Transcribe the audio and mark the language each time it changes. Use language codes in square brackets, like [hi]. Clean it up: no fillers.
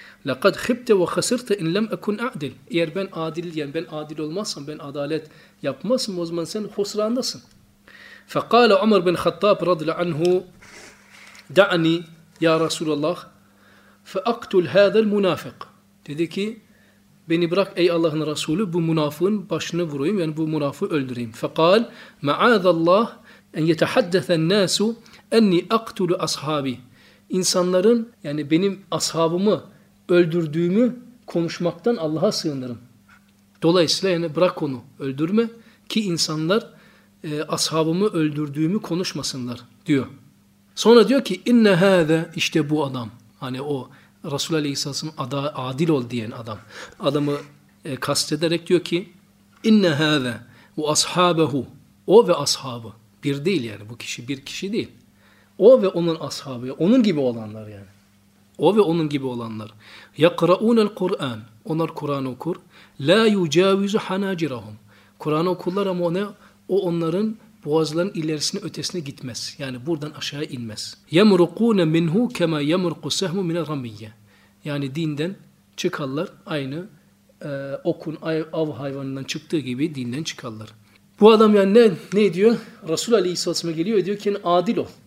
[ar] Lekad khibte ve khasırte in lem ekun a'dil. [tr] Eğer ben adil yani ben adil olmazsam, ben adalet yapmazsam o zaman sen husrandasın. [ar] Fekale Umar bin Khattab radıyallahu anhu da'ni ya Resulallah. فَاَقْتُلْ هَذَا الْمُنَافِقِ [tr] dedi ki beni bırak ey Allah'ın Resulü bu münafığın başını vurayım yani bu münafığı öldüreyim. [ar] فَقَالْ مَعَاذَ اللّٰهِ اَنْ يَتَحَدَّثَ النَّاسُ اَنِّي اَقْتُلُ أَصْحَابِ [tr] insanların yani benim ashabımı öldürdüğümü konuşmaktan Allah'a sığınırım. Dolayısıyla yani bırak onu öldürme ki insanlar ashabımı öldürdüğümü konuşmasınlar diyor. Sonra diyor ki [ar] اِنَّ هَذَا [tr] işte bu adam. Hani o Resulü Aleyhisselam'ın adil ol diyen adam. Adamı kastederek diyor ki [ar] inne hâze ve ashabehu [tr] o ve ashabı. Bir değil yani bu kişi bir kişi değil. O ve onun ashabı. Onun gibi olanlar yani. O ve onun gibi olanlar. [ar] Yakra'unel Kur'an. [tr] Onlar Kur'an okur. [ar] La yucavizu hanacirahum. [tr] Kur'an okurlar ama o onların boğazların ilerisine ötesine gitmez. Yani buradan aşağı inmez. [ar] يَمْرُقُونَ مِنْهُ كَمَا يَمْرُقُ سَهْمُ مِنَ الرَّمِيَّ [tr] yani dinden çıkarlar. Aynı okun av hayvanından çıktığı gibi dinden çıkarlar. Bu adam yani ne diyor? Resul Aleyhisselatü Vesselam geliyor diyor ki adil ol.